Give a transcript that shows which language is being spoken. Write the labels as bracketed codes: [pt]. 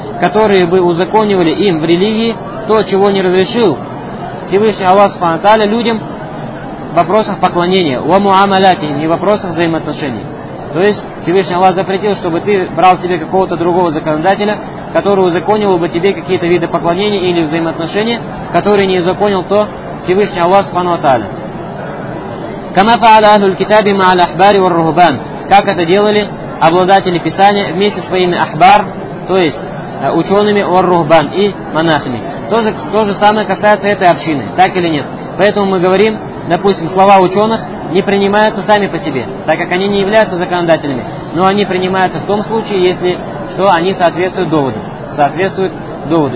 [ru] Которые бы узаконивали им в религии то, чего не разрешил Всевышний Аллах Субхана Тааля людям в вопросах поклонения. «Ва муамалатихим» и в вопросах взаимоотношений. То есть Всевышний Аллах запретил, чтобы ты брал себе какого-то другого законодателя, который узаконивал бы тебе какие-то виды поклонения или взаимоотношения, которые не узаконил то Всевышний Аллах Субхана Тааля. [ar] كما فعل أهل الكتاب مع الأحبار والرهبان. [ru] Как это делали обладатели Писания вместе со своими ахбар, то есть учеными, ор-рухбан и монахами. То же самое касается этой общины, так или нет? Поэтому мы говорим, допустим, слова ученых не принимаются сами по себе, так как они не являются законодателями, но они принимаются в том случае, если что, они соответствуют доводу.